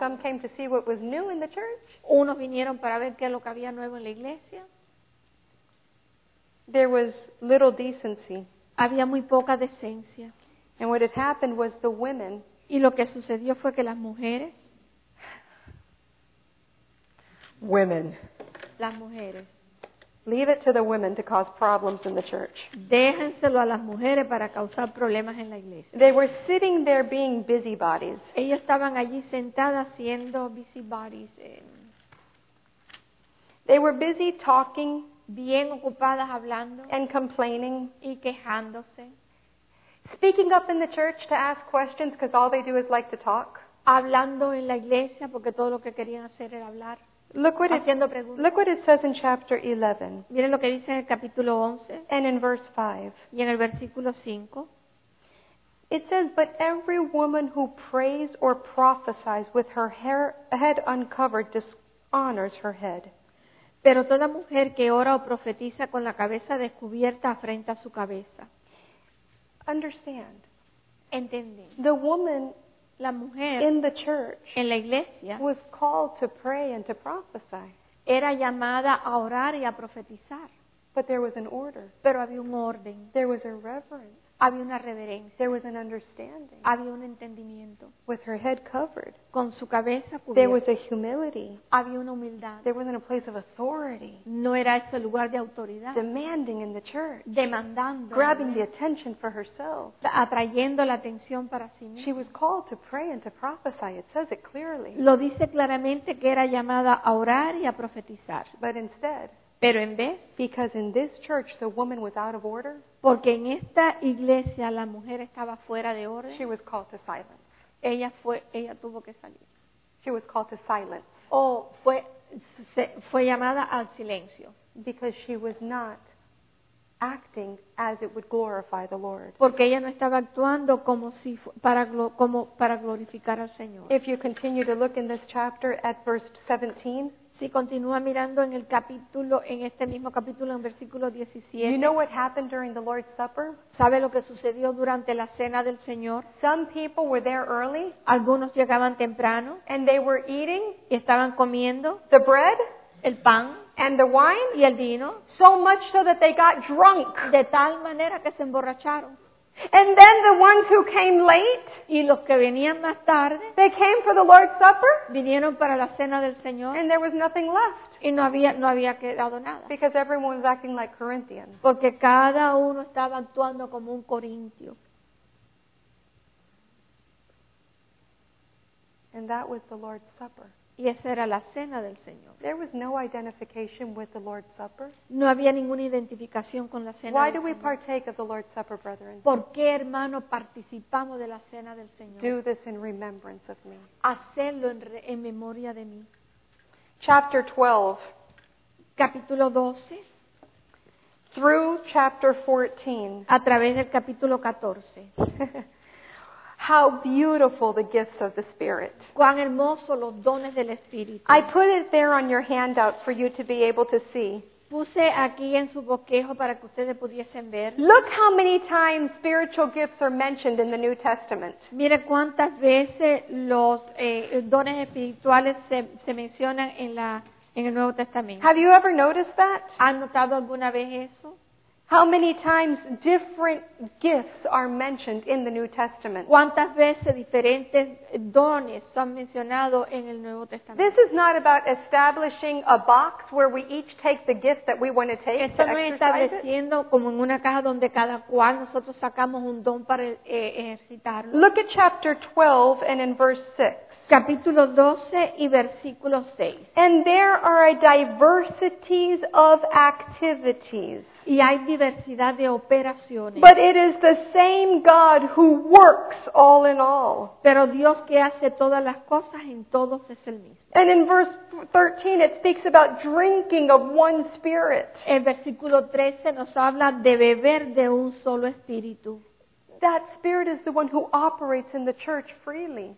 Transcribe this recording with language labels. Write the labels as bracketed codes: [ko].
[en] Some came to see what was new in the church. [es] Unos vinieron para ver qué es lo que había nuevo en la iglesia. [en] There was little decency. [es] Había muy poca decencia. [en] And what had happened was the women. [es] Y lo que sucedió fue que las mujeres. [en] Women. [es] Las mujeres. [en] Leave it to the women to cause problems in the church. [es] Déjenselo a las mujeres para causar problemas en la iglesia. [en] They were sitting there being busybodies. [es] Ellas estaban allí sentadas siendo busybodies. [en] They were busy talking. [es] Bien ocupadas hablando. [en] And complaining. [es] Y quejándose. [en] Speaking up in the church to ask questions because all they do is like to talk. [es] Hablando en la iglesia porque todo lo que querían hacer era hablar. [en] Look what it says in chapter 11. [es] Miren lo que dice en el capítulo 11. [en] And in verse 5. [es] Y en el versículo 5. [en] It says, "But every woman who prays or prophesies with her hair, head uncovered dishonors her head." [es] Pero toda mujer que ora o profetiza con la cabeza descubierta afrenta su cabeza. [en] Understand. [es] Entiende. [en] The woman, [es] la mujer, [en] in the church, [es] en la iglesia, [en] was called to pray and to prophesy. [es] Era llamada a orar y a profetizar. [en] But there was an order. [es] Pero había un orden. [en] There was a reverence. [es] Había una reverencia. [en] There was an understanding. [es] Había un entendimiento. [en] With her head covered. [es] Con su cabeza cubierta. [en] There was a humility. [es] Había una humildad. [en] There wasn't a place of authority. [es] No era ese lugar de autoridad. [en] Demanding in the church. [es] Demandando. [en] Grabbing the attention for herself. [es] Atrayendo la atención para sí misma. [en] She was called to pray and to prophesy. It says it clearly. [es] Lo dice claramente que era llamada a orar y a profetizar. [en] But instead, [es] pero en vez, [en] because in this church the woman was out of order, [es] porque en esta iglesia la mujer estaba fuera de orden, [en] she was called to silence. [es] Ella tuvo que salir. [en] She was called to silence. [es] O fue llamada al silencio. [en] Because she was not acting as it would glorify the Lord. [es] Porque ella no estaba actuando como para glorificar al Señor. [en] If you continue to look in this chapter at verse 17. [es] Si continúa mirando en el capítulo, en este mismo capítulo, en versículo 17. [en] You know what happened during the Lord's Supper? [es] ¿Sabe lo que sucedió durante la cena del Señor? [en] Some people were there early. [es] Algunos llegaban temprano. [en] And they were eating. [es] Y estaban comiendo. [en] The bread. [es] El pan. [en] And the wine. [es] Y el vino. [en] So much so that they got drunk. [es] De tal manera que se emborracharon. [en] And then the ones who came late, [es] y los que venían más tarde, [en] they came for the Lord's Supper, [es] vinieron para la cena del Señor, [en] and there was nothing left, [es] y no había quedado nada, [en] because everyone was acting like Corinthians, [es] porque cada uno estaba actuando como un corintio. [en] And that was the Lord's Supper. [es] Y esa era la cena del Señor. [en] There was no identification with the Lord's Supper. [es] No había ninguna identificación con la cena. [en] Why [es] del Señor. [en] Partake of the Lord's Supper, brethren? [es] ¿Por qué, hermano, participamos de la cena del Señor? [en] Do this in remembrance of me. [es] Hacerlo en memoria de mí. [en] Chapter 12. [es] Capítulo 12. [en] Through chapter 14. [es] A través del capítulo 14. [en] How beautiful the gifts of the Spirit. [es] Cuán hermosos los dones del Espíritu. [en] I put it there on your handout for you to be able to see. [es] Puse aquí en su bosquejo para que ustedes pudiesen ver. [en] Look how many times spiritual gifts are mentioned in the New Testament. [es] Mire cuántas veces los dones espirituales se mencionan en el Nuevo Testamento. [en] Have you ever noticed that? [es] ¿Han notado alguna vez eso? [en] How many times different gifts are mentioned in the New Testament? [es] ¿Cuántas veces diferentes dones son mencionados en el Nuevo Testamento? [en] This is not about establishing a box where we each take the gift that we want to take. [es] Esto no es estableciendo como en una caja donde cada cual nosotros sacamos un don para ejercitarlo. [en] Look at chapter 12 and in verse 6. [es] Capítulo 12 y versículo 6. [en] And there are a diversities of activities. [es] Y hay diversidad de operaciones. [en] But it is the same God who works all in all. [es] Pero Dios que hace todas las cosas en todos es el mismo. [en] And in verse 13 it speaks about drinking of one spirit. [es] En versículo 13 nos habla de beber de un solo espíritu. [en] That spirit is the one who operates in the church freely.